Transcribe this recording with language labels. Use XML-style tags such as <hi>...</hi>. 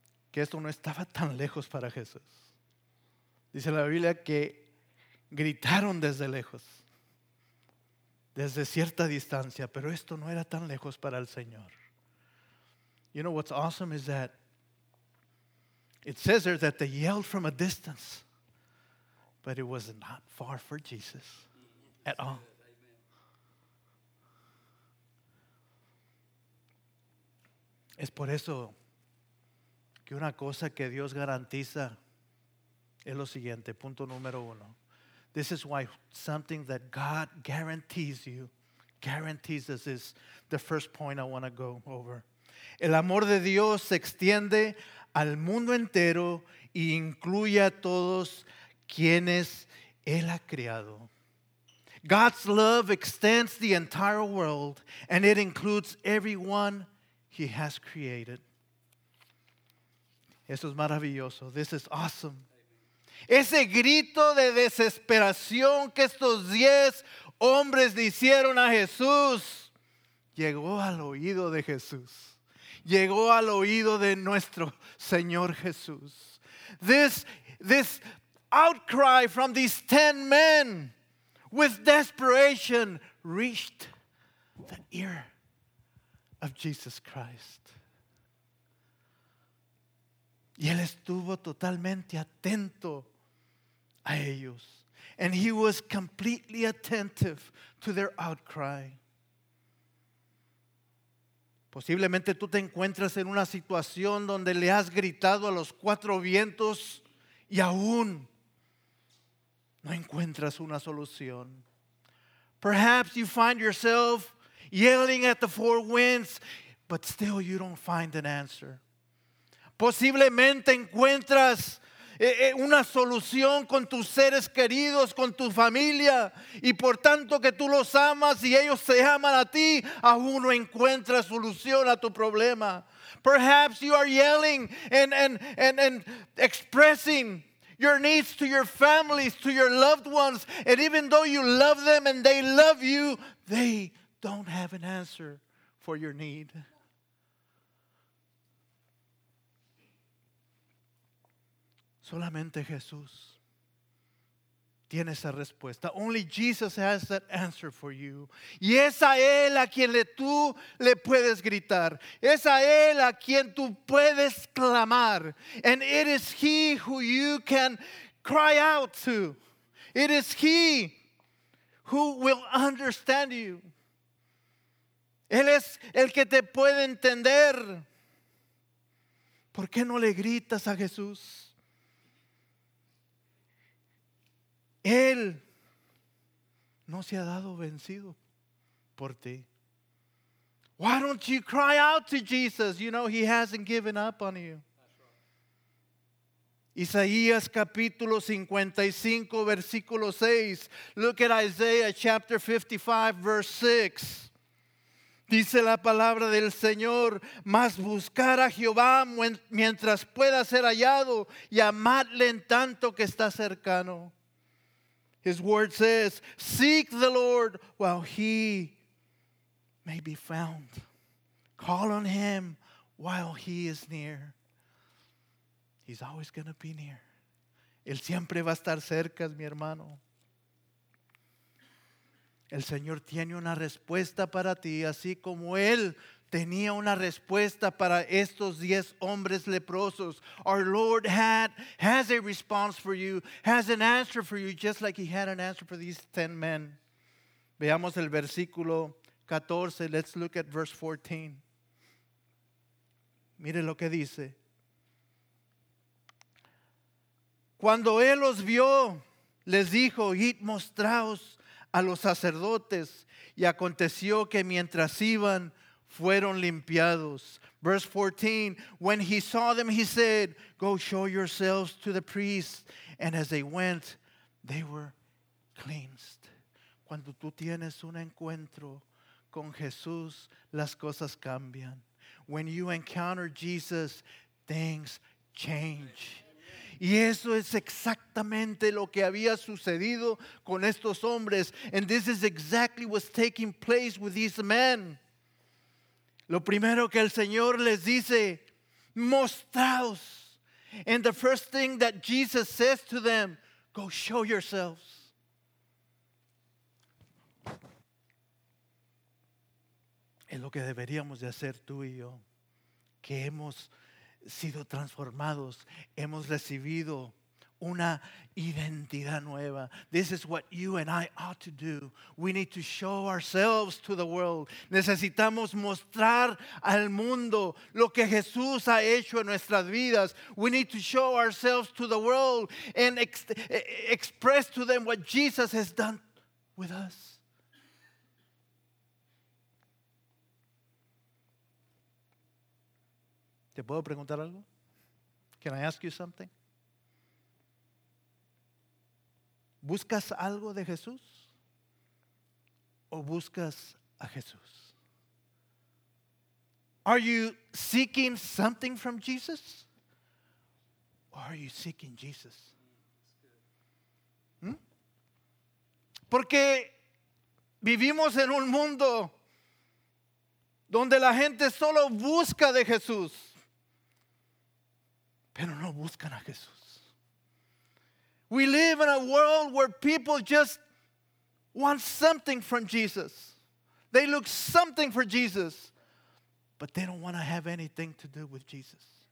<es>Que esto no estaba tan lejos para Jesús. Dice la Biblia que gritaron desde lejos, desde cierta distancia, pero esto no era tan lejos para el Señor.</es> <en>You know what's awesome is that it says there that they yelled from a distance, but it was not far for Jesus at all.</en> <es>Es por eso que una cosa que Dios garantiza es lo siguiente, punto número uno.</es> <en>This is why something that God guarantees you, guarantees us, is the first point I want to go over.</en> <es>El amor de Dios se extiende al mundo entero e incluye a todos quienes Él ha creado.</es> <en>God's love extends the entire world and it includes everyone He has created.</en> <es>Eso es maravilloso.</es> <en>This is awesome.</en> <es>Ese grito de desesperación que estos 10 hombres le hicieron a Jesús llegó al oído de Jesús. Llegó al oído de nuestro Señor Jesús.</es> <en>This outcry from these 10 men with desperation reached the ear of Jesus Christ.</en> <es>Y él estuvo totalmente atento a ellos.</es> <en>And he was completely attentive to their outcry.</en> <es>Posiblemente tú te encuentras en una situación donde le has gritado a los cuatro vientos y aún no encuentras una solución.</es> <en>Perhaps you find yourself yelling at the four winds, but still you don't find an answer.</en> <es>Posiblemente encuentras una solución con tus seres queridos, con tu familia, y por tanto que tú los amas y ellos se aman a ti, aún no encuentras solución a tu problema.</es> <en>Perhaps you are yelling and expressing your needs to your families, to your loved ones. And even though you love them and they love you, they don't have an answer for your need.</en> <es>Solamente Jesús tiene esa respuesta.</es> <en>Only Jesus has that answer for you.</en> <es>Y es a Él a quien tú le puedes gritar. Es a Él a quien tú puedes clamar.</es> <en>And it is He who you can cry out to. It is He who will understand you.</en> <es>Él es el que te puede entender. ¿Por qué no le gritas a Jesús? Él no se ha dado vencido por ti.</es> <en>Why don't you cry out to Jesus? You know, He hasn't given up on you.</en> <es>Isaías capítulo 55, versículo 6.</es> <en>Look at Isaiah chapter 55, verse 6.</en> <es>Dice la palabra del Señor, mas buscar a Jehová mientras pueda ser hallado y amadle en tanto que está cercano.</es> <en>His word says, seek the Lord while He may be found. Call on Him while He is near. He's always going to be near.</en> <es>Él siempre va a estar cerca, mi hermano. El Señor tiene una respuesta para ti, así como Él tenía una respuesta para estos 10 hombres leprosos.</es> <en>Our Lord has a response for you, has an answer for you, just like He had an answer for these 10 men.</en> <es>Veamos el versículo 14.</es> <en>Let's look at verse 14.</en> <es>Mire lo que dice. Cuando Él los vio, les dijo, id mostraos a los sacerdotes. Y aconteció que mientras iban, fueron limpiados.</es> <en>Verse 14, when He saw them, He said, go show yourselves to the priests. And as they went, they were cleansed.</en> <es>Cuando tú tienes un encuentro con Jesús, las cosas cambian.</es> <en>When you encounter Jesus, things change.</en> <es>Y eso es exactamente lo que había sucedido con estos hombres.</es> <en>And this is exactly what's taking place with these men.</en> <es>Lo primero que el Señor les dice, mostraos.</es> <en>And the first thing that Jesus says to them, go show yourselves.</en> <es>Es lo que deberíamos de hacer tú y yo. Que hemos sido transformados. Hemos recibido una identidad nueva.</es> <en>This is what you and I ought to do. We need to show ourselves to the world.</en> <es>Necesitamos mostrar al mundo lo que Jesús ha hecho en nuestras vidas.</es> <en>We need to show ourselves to the world and express to them what Jesus has done with us.</en> <es>¿Te puedo preguntar algo?</es> <en>Can I ask you something?</en> <es>¿Buscas algo de Jesús o buscas a Jesús?</es> <en>Are you seeking something from Jesus or are you seeking Jesus?</en> <es>Porque vivimos en un mundo donde la gente solo busca de Jesús, pero no buscan a Jesús.</es> <en>We live in a world where people just want something from Jesus. They look something for Jesus, but they don't want to have anything to do with Jesus.</en>